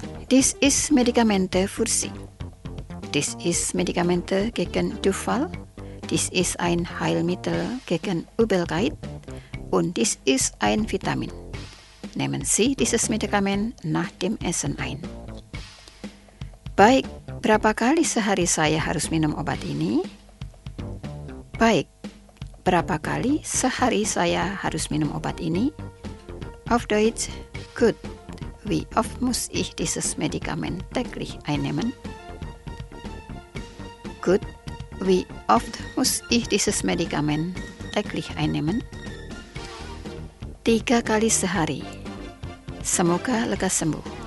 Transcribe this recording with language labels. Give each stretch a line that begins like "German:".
German: Dies ist Medikamente für Sie. Dies ist Medikamente gegen Durchfall. Dies ist ein Heilmittel gegen Übelkeit. Und dies ist ein Vitamin. Nehmen Sie dieses Medikament nach dem Essen ein.
Indonesian: Baik, berapa kali sehari saya harus minum obat ini? Baik, berapa kali sehari saya harus minum obat ini?
German: Auf Deutsch, gut, wie oft muss ich dieses Medikament täglich einnehmen? Gut, wie oft muss ich dieses Medikament täglich einnehmen?
Indonesian: 3 kali sehari. Semoga lekas sembuh.